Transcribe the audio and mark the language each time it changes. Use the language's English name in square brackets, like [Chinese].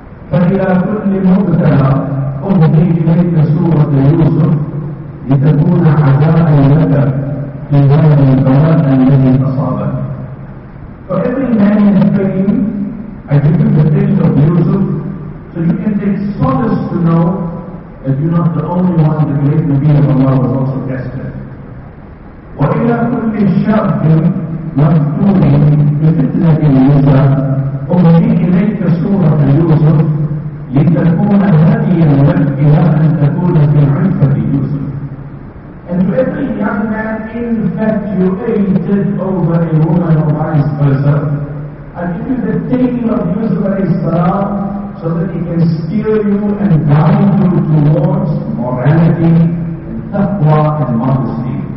[Arabic] فإلى كل مبتلى أهدي إليك سورة يوسف لتكون عزاء لك في هذا البلاء الذي أصابك. [English] For every man in pain, I give you the things of Yusuf, so you can take solace to know that you're not the only one. The great Nabi of Allah was also tested. [Arabic] وإلى كل شاب مفتون بفتنة يوسف أهدي إليك سورة يوسف لتكون هديا لك إلى أن تكون في عفة يوسف. [English] And to every young man infatuated over a woman or vice versa, I give you the tale of Yusuf alayhi salam so that he can steer you and guide you towards morality and taqwa and modesty.